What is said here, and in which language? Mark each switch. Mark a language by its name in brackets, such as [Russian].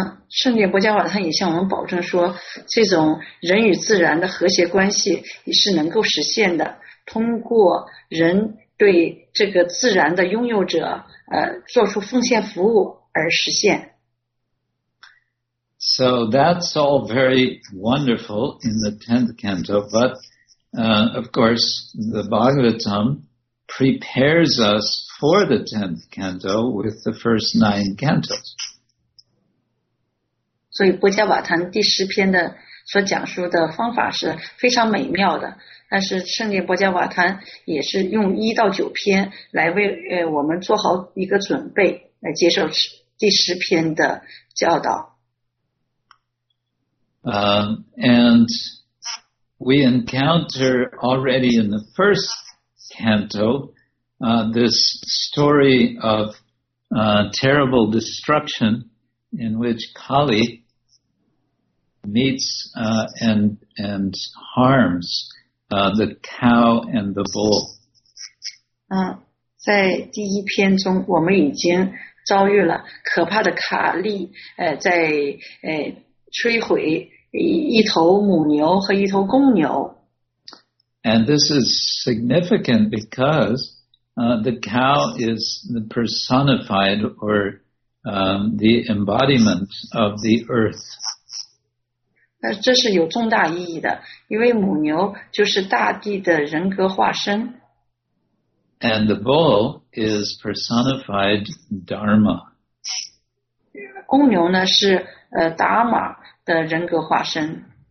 [Chinese] 圣典博伽瓦坦也向我们保证说，这种人与自然的和谐关系也是能够实现的，通过人对这个自然的拥有者做出奉献服务而实现。 [English] So that's all very wonderful in the 10th canto, but of course the Bhagavatam prepares us for the 10th canto with the first 9 cantos. [Chinese] 所以博伽瓦坦第十篇的所讲述的方法是非常美妙的，但是圣殿博伽瓦坦也是用一到九篇来为我们做好一个准备，来接受第十篇的教导。 [English] And we encounter already in the first canto, this story of terrible destruction in which Kali meets and harms the cow and the bull. [Chinese] 在第一篇中，我们已经遭遇了可怕的卡利，在摧毁一头母牛和一头公牛。 [English] And this is significant because the cow is the personified or the embodiment of the earth. [Chinese] 这是有重大意义的，因为母牛就是大地的人格化身。 [English] And the bull is personified Dharma. [Chinese] 公牛呢是达玛的人格化身。